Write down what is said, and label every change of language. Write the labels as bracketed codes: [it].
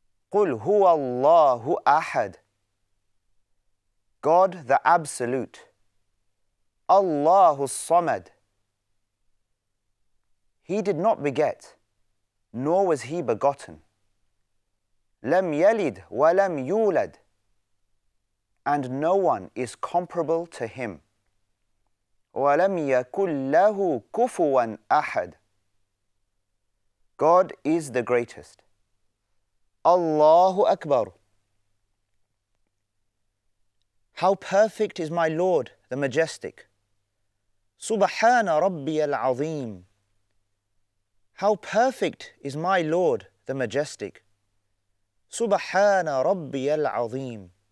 [ar] قُلْ هُوَ اللَّهُ أَحَدٌ [en] God the Absolute. [ar] اللَّهُ الصَّمَدُ [en] He did not beget, nor was he begotten. [ar] لَمْ يَلِدْ وَلَمْ يُولَدْ [en] And no one is comparable to him. [ar] وَلَمْ يَكُلْ لَهُ كُفُوًا أَحَدٌ [en] God is the greatest. [ar] Allahu Akbar. [en] How perfect is my Lord, the Majestic. [ar] Subhana Rabbi al-Azim. [en] How perfect is my Lord, the Majestic. [ar] Subhana Rabbi al-Azim.